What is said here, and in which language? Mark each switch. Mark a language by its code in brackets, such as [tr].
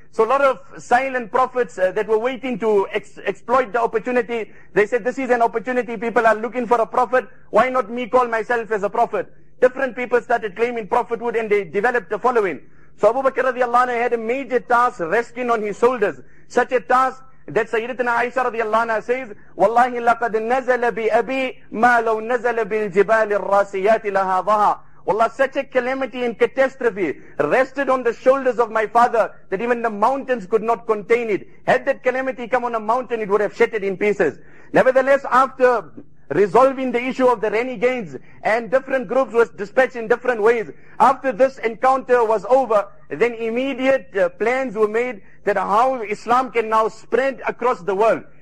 [en] So a lot of silent prophets that were waiting to exploit the opportunity, they said, this is an opportunity, people are looking for a prophet, why not me call myself as a prophet? Different people started claiming prophethood and they developed the following. So Abu Bakr radiallahu anhu had a major task resting on his shoulders. Such a task that Sayyidatina Aisha radiallahu anhu says, [ar] وَاللَّهِ لَقَدْ نَزَلَ بِأَبِي مَا لَوْ نَزَلَ بِالْجِبَالِ الرَّاسِيَاتِ لَهَا ظَهَا. [en] Wallah, such a calamity and catastrophe rested on the shoulders of my father that even the mountains could not contain it. Had that calamity come on a mountain, it would have shattered in pieces. Nevertheless, after resolving the issue of the renegades and different groups was dispatched in different ways, after this encounter was over, then immediate plans were made that how Islam can now spread across the world.